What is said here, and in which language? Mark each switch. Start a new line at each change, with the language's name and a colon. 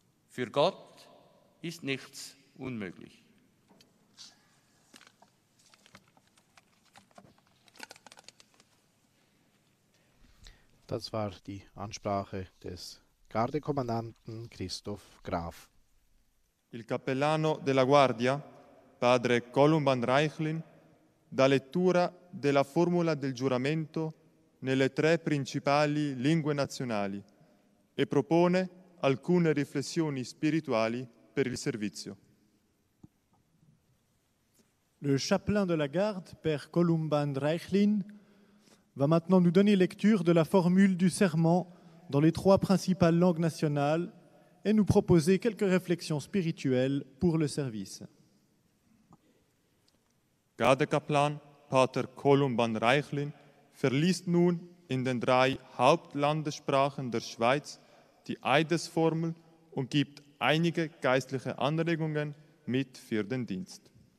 German: Für Gott ist nichts unmöglich. Das war die Ansprache des Gardekommandanten Christoph Graf.
Italian: Il cappellano della Guardia, padre Columban Reichlin, dà lettura della formula del giuramento nelle tre principali lingue nazionali e propone alcune riflessioni spirituali per il servizio.
French: Le chapelain de la garde, père Columban Reichlin, va maintenant nous donner lecture de la formule du serment dans les trois principales langues nationales et nous proposer quelques réflexions spirituelles pour le service.
German: Gardekaplan Pater Columban Reichlin verliest nun in den drei Hauptlandessprachen der Schweiz die Eidesformel und gibt einige geistliche Anregungen mit für den Dienst.